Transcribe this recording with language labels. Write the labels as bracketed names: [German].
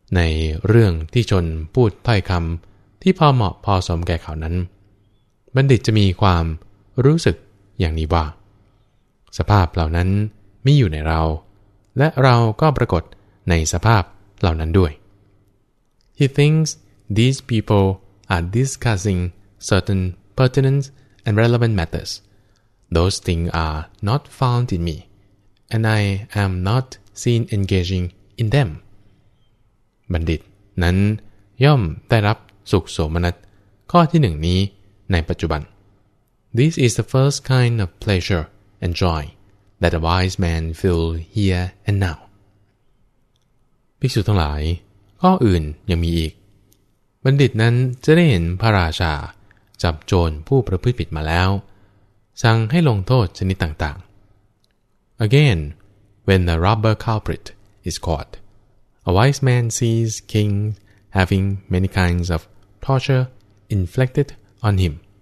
[Thai] ในเรื่องที่ชนพูดถ้อยคำที่พอเหมาะพอสมแก่เขานั้นบัณฑิตจะมีความรู้สึกอย่างนี้ว่าสภาพเหล่านั้นมีอยู่ในเราและเราก็ปรากฏในสภาพเหล่านั้นด้วย [English] He thinks these people are discussing certain pertinent and relevant matters. Those things are not found in me, and I am not seen engaging in them. [Thai] บัณฑิตนั้นย่อมได้รับสุขโสมนัสข้อที่หนึ่งนี้ในปัจจุบัน [English] This is the first kind of pleasure and joy that a wise man feel here and now. [Thai] ภิกษุทั้งหลายข้ออื่นยังมีอีกบัณฑิตนั้นจะได้เห็นพระราชาจับโจรผู้ประพฤติผิดมาแล้วสั่งให้ลงโทษชนิดต่างๆ [English] Again, when a robber culprit is caught, a wise man sees king having many kinds of torture inflicted on him.